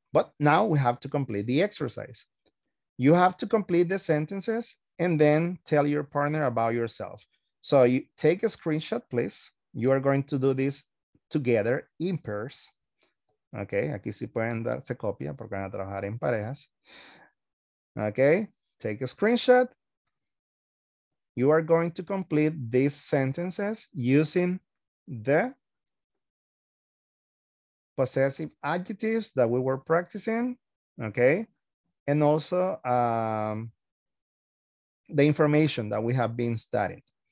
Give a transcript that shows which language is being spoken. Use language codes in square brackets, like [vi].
[en] But now we have to complete the exercise. You have to complete the sentences and then tell your partner about yourself. So you take a screenshot, please. You are going to do this together in pairs. [es] Okay, aquí sí pueden darse copia porque van a trabajar en parejas. [en] Okay, take a screenshot. You are going to complete these sentences using the possessive adjectives that we were practicing, okay? And also the information that we have been studying.